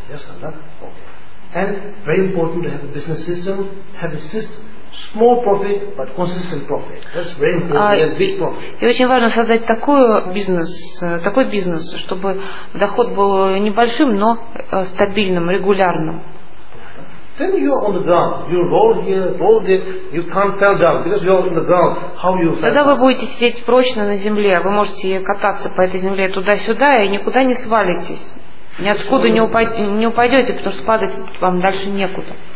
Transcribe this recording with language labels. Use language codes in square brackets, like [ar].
[en] Yes, and very important to have a business system, have a system Small profit, but consistent profit. That's very important. Big profit. [ru] И очень важно создать такой бизнес, чтобы доход был небольшим, но стабильным, регулярным. [en] Then you're on the ground. You roll here, roll there. You can't fall down because you're on the ground. How you fall? [ru] Тогда вы будете сидеть прочно на земле. Вы можете кататься по этой земле туда-сюда и никуда не свалитесь. Ниоткуда не упадете, потому что падать вам дальше некуда.